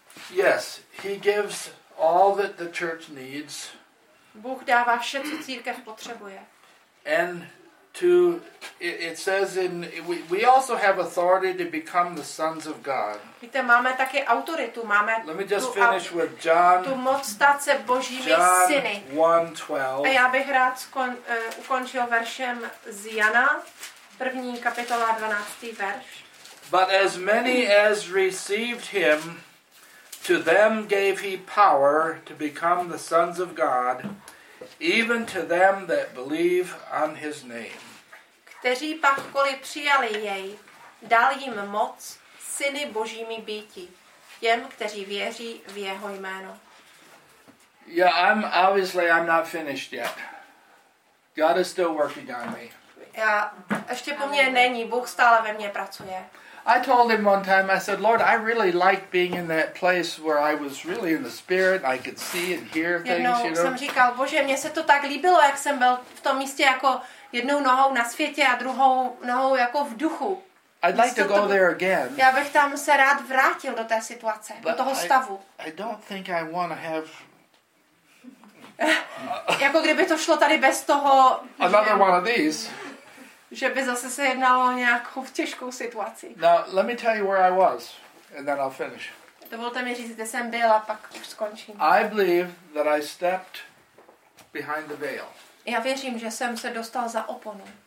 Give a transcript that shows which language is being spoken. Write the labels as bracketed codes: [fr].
[en] Yes, he gives all that the church needs. [cs] Bůh dává vše, co církev potřebuje. [en] And to it says in we also have authority to become the sons of God. [cs] Víte, máme taky autoritu, máme. [en] Let me just finish with John. [cs] Tu moc stát se Božími syny. 1:12. A já bych rád ukončil veršem z Jana, 1. kapitola, 12. verš. [en] But as many as received him, to them gave he power to become the sons of God, even to them that believe on his name. [cs] Kteří pak koli přijali jej, dal jim moc syny Božími býti, těm, kteří věří v jeho jméno. [en] Yeah, I'm obviously not finished yet. God is still working on me. [cs] Já ještě po mně není, Bůh stále ve mně pracuje. [en] I told him one time, I said, Lord, I really like being in that place where I was really in the spirit, I could see and hear things, [cs] jednou [en] you know. [cs] Jednou jsem říkal, Bože, mně se to tak líbilo, jak jsem byl v tom místě jako jednou nohou na světě a druhou nohou jako v duchu. [en] I'd like to go there again. [cs] Já bych tam se rád vrátil do té situace, do toho stavu. [en] I don't think I want to have... [cs] jako kdyby to šlo tady bez toho... [en] Another one of these. [cs] Že by zase se jednalo o nějakou těžkou situaci. [en] Now, let me tell you where I was, and then I'll finish. [cs] Dovolte mi říct, kde jsem byl a pak už skončím. [en] I believe that I stepped behind the veil. [cs] Já věřím, že jsem se dostal za oponu.